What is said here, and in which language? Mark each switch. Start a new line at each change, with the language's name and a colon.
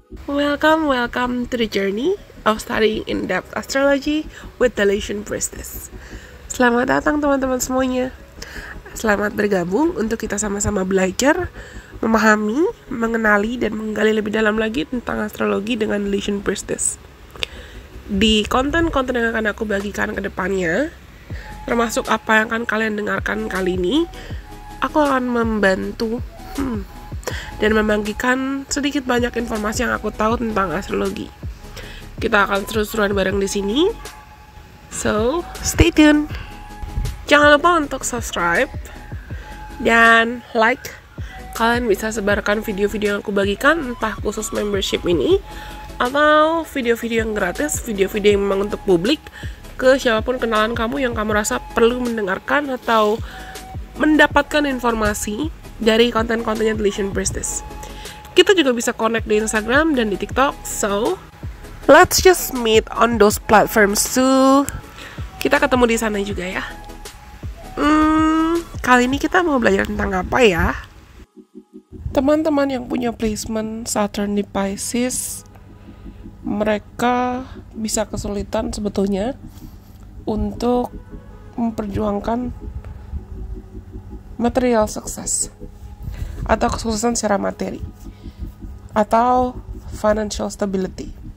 English: Welcome, welcome to the journey of studying in-depth astrology with the Lucian Priestess.
Indonesian: Selamat datang teman-teman semuanya. Selamat bergabung untuk kita sama-sama belajar, memahami, mengenali, dan menggali lebih dalam lagi tentang astrologi dengan Lucian Priestess. Di konten-konten yang akan aku bagikan ke depannya, termasuk apa yang akan kalian dengarkan kali ini, aku akan membantu dan membagikan sedikit banyak informasi yang aku tahu tentang astrologi. Kita akan terus-terusan bareng di sini.
English: So, stay tuned.
Indonesian: Jangan lupa untuk subscribe dan like. Kalian bisa sebarkan video-video yang aku bagikan, entah khusus membership ini atau video-video yang gratis, video-video yang memang untuk publik, ke siapapun kenalan kamu yang kamu rasa perlu mendengarkan atau mendapatkan informasi dari konten-kontennya The Lucian Priestess. Kita juga bisa connect di Instagram dan di TikTok.
English: So, let's just meet on those platforms too.
Indonesian: Kita ketemu di sana juga ya. Kali ini kita mau belajar tentang apa ya? Teman-teman yang punya placement Saturn di Pisces, mereka bisa kesulitan sebetulnya untuk memperjuangkan material sukses atau kesuksesan secara materi atau financial stability.